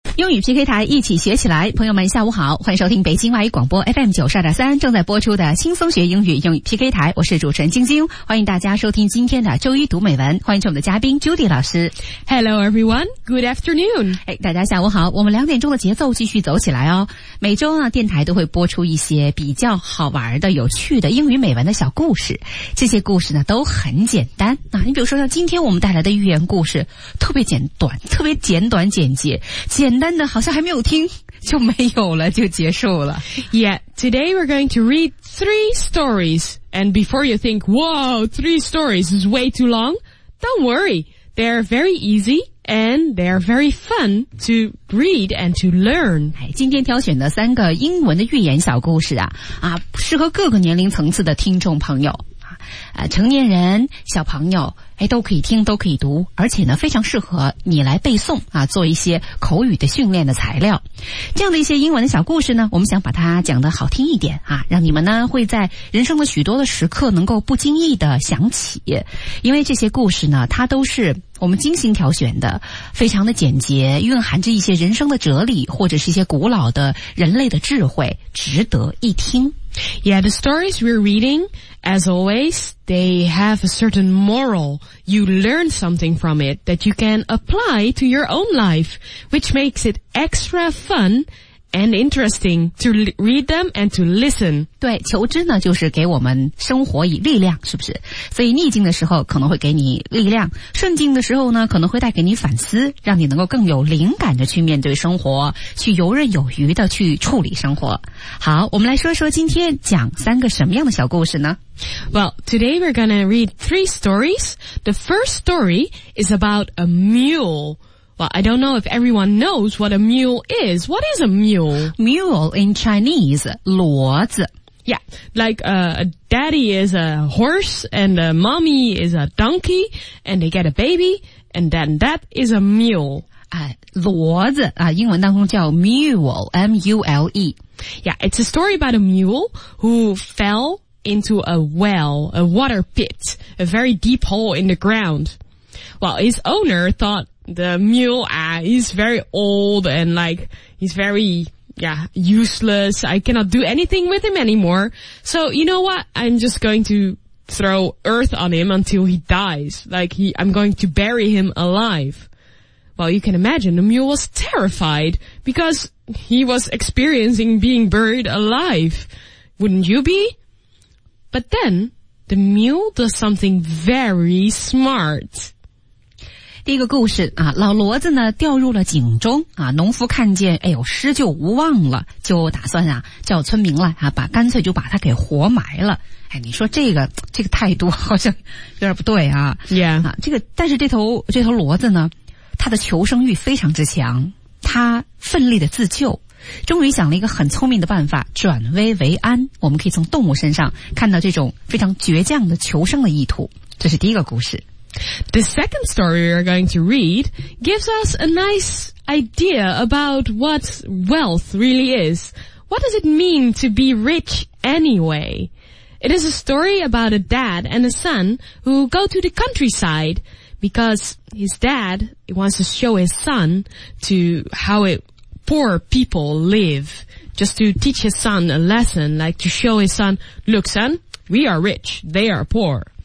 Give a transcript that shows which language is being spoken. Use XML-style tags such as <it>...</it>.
<zh>英语 PK 台一起学起来，朋友们下午好，欢迎收听北京外语广播 FM92.3 正在播出的轻松学英语英语 PK 台，我是主持人晶晶，欢迎大家收听今天的周一读美文，欢迎我们的嘉宾 Judy 老师。</zh> <en>Hello everyone, good afternoon.</en> <zh>大家下午好，我们两点钟的节奏继续走起来哦。每周啊，电台都会播出一些比较好玩的、有趣的英语美文的小故事，这些故事呢都很简单啊。你比如说像今天我们带来的寓言故事，特别简短，特别简短简洁，简单的好像还没有听就没有了，就结束了。</zh> <en>Yeah, today we're going to read three stories. And before you think, whoa, three stories is way too long, don't worry. They're very easy and they're very fun to read and to learn.</en> <zh>今天挑选的三个英文的寓言小故事啊，适合各个年龄层次的听众朋友。成年人、小朋友都可以听，都可以读，而且呢非常适合你来背诵啊，做一些口语的训练的材料。这样的一些英文的小故事呢，我们想把它讲得好听一点啊，让你们呢会在人生的许多的时刻能够不经意的想起。因为这些故事呢，它都是我们精心挑选的，非常的简洁，蕴含着一些人生的哲理，或者是一些古老的人类的智慧，值得一听。</zh> <en>Yeah, the stories we're reading, as always, they have a certain moral. You learn something from it that you can apply to your own life, which makes it extra fun and interesting to read them and to listen.</en> <zh>对，求知呢，就是给我们生活以力量，是不是？所以逆境的时候可能会给你力量，顺境的时候呢，可能会带给你反思，让你能够更有灵感的去面对生活，去游刃有余的去处理生活。好，我们来说说今天讲三个什么样的小故事呢？</zh> <en>Well, today we're gonna read three stories. The first story is about a mule. Well, I don't know if everyone knows what a mule is. What is a mule? Mule in Chinese, 骡子. Yeah, like a daddy is a horse and a mommy is a donkey and they get a baby and then that is a mule. 骡子英文当中叫 mule, M-U-L-E. Yeah, it's a story about a mule who fell into a well, a water pit, a very deep hole in the ground. Well, his owner thought the mule, he's very old and like, he's very, yeah, useless. I cannot do anything with him anymore. So, you know what? I'm just going to throw earth on him until he dies. Like, I'm going to bury him alive. Well, you can imagine the mule was terrified because he was experiencing being buried alive. Wouldn't you be? But then, the mule does something very smart.</en> <zh>第一个故事啊，老骡子呢掉入了井中啊，农夫看见失救无望了，就打算啊叫村民来啊，干脆就把他给活埋了。你说这个态度好像有点不对啊。</zh> <en>Yeah.</en> <zh>啊，这个但是这头骡子呢，他的求生欲非常之强，他奋力的自救，终于想了一个很聪明的办法，转危为安。我们可以从动物身上看到这种非常倔强的求生的意图。这是第一个故事。</zh> <en>The second story we are going to read gives us a nice idea about what wealth really is. What does it mean to be rich anyway? It is a story about a dad and a son who go to the countryside because his dad wants to show his son to how poor people live, just to teach his son a lesson, like to show his son, look son, we are rich, they are poor.</en>